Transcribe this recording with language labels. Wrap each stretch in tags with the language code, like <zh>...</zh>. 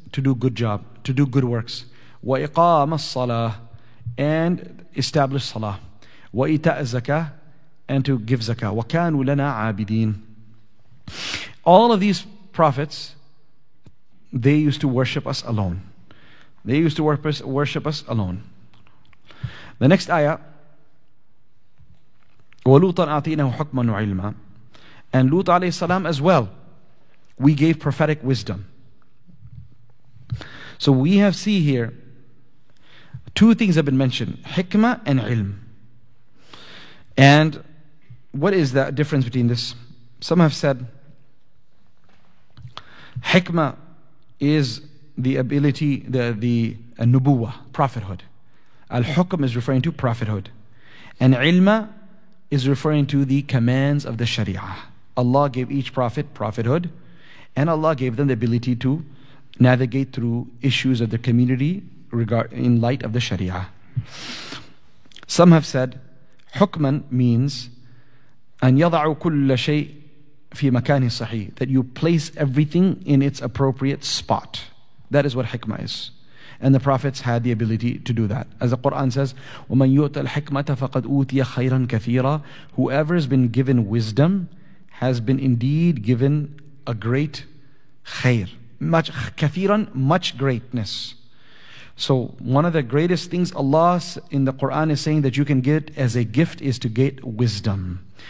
<en>To do good job, to do good works.</en> <ar>وَإِقَامَ الصَّلَاةِ,</ar> <en>and establish salah.</en> <ar>وَإِتَاءَ الزَّكَاةِ,</ar> <en>and to give zakah.</en> <ar>وَكَانُوا لَنَا عَابِدِينَ.</ar> <en>All of these prophets, they used to worship us alone. They used to worship us alone. The next ayah,</en> <ar>وَلُوطًا أَعْطِيْنَهُ حُكْمًا وَعِلْمًا.</ar> <en>And Lut alayhi salam as well, we gave prophetic wisdom. So we have seen here, two things have been mentioned, hikmah and ilm. And what is the difference between this? Some have said, hikmah is the ability, the nubuwa, prophethood. Al-hukm is referring to prophethood. And ilma is referring to the commands of the sharia. Allah gave each prophet prophethood, and Allah gave them the ability to navigate through issues of the community in light of the sharia. Some have said, hukman means</en> <ar>أن يضع كل شيء في مكان صحيح,</ar> <en>that you place everything in its appropriate spot. That is what hikmah is. And the prophets had the ability to do that. As the Quran says,</en> <ar>وَمَنْ يُؤْتَ الْحِكْمَةَ فَقَدْ أُوْتِيَ خَيْرًا كَثِيرًا.</ar> <en>Whoever has been given wisdom has been indeed given a great khair. Much كثيرًا, much greatness. So one of the greatest things Allah in the Quran is saying that you can get as a gift is to get wisdom.</en>